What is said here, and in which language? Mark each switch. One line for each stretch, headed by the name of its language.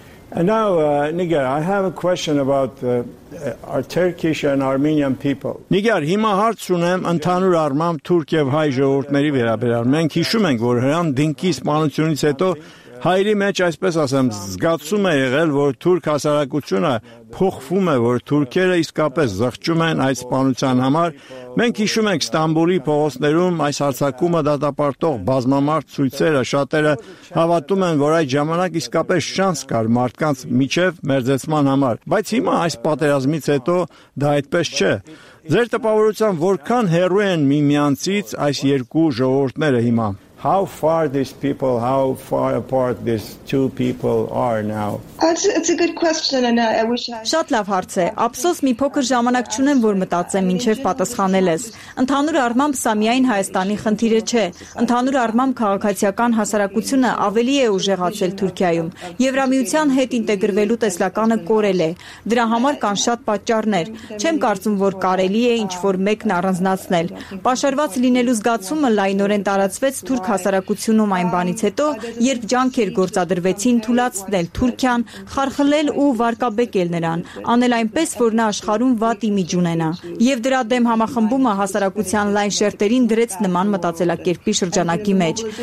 English: And now, Nigar, I have a question about our Turkish and Armenian people.
Armenian: Nigar, հիմա հարց ունեմ ընդհանուր առմամբ թուրք եւ հայ ժողովրդների վերաբերյալ։ Մենք հիշում ենք, որ Հրանտ Դինքի սպանությունից հետո հայերի մեջ, այսպես ասեմ, զգացում է եղել, որ թուրք հասարակությունը փոխվում է, որ թուրքերը իսկապես զղջում են այդ սպանության համար։ Մենք հիշում ենք Ստամբուլի փողոցներում այս հարցակումը դատապարտող բազմամարդ ցույցերը, շատերը հավատում են, որ այդ ժամանակ իսկապես շանս կար մարդկանց միջև մերձեցման համար, բայց հիմա այս պատերազմից հետո դա այդպես չէ։ Ձեր տպավորությամբ որքան հեռու են միմյանցից այս երկու ժողովուրդները հիմա։
English: How far apart these two people are now? It's a good question, and I wish I
Armenian: Շատ լավ հարց է։ Ափսոս, մի փոքր ժամանակ չունեմ, որ մտածեմ ինչև պատասխանել ես։ Ընդհանուր առմամբ սա միայն Հայաստանի խնդիրը չէ։ Ընդհանուր առմամբ քաղաքացիական հասարակությունը ավելի է ուժեղացել Թուրքիայում։ Եվրամիության հետ ինտեգրվելու տեսլականը կորել է։ Դրա համար կան շատ պատճառներ։ Չեմ կարծում, որ կարելի է ինչ-որ մեկն առանձնացնել։ Պաշարված լինելու զգացումը լայնորեն տարածվեց Թուրք հասարակությունում այն բանից հետո, երբ ջանքեր գործադրվեցին թուլացնել Թուրքիան, խարխլել ու վարկաբեկել նրան, անել այնպես, որ նա աշխարհում վատ իմիջ ունենա, եւ դրա դեմ համախմբումը հասարակության լայն շերտերին դրեց նման մտածելակերպի շրջանակի մեջ,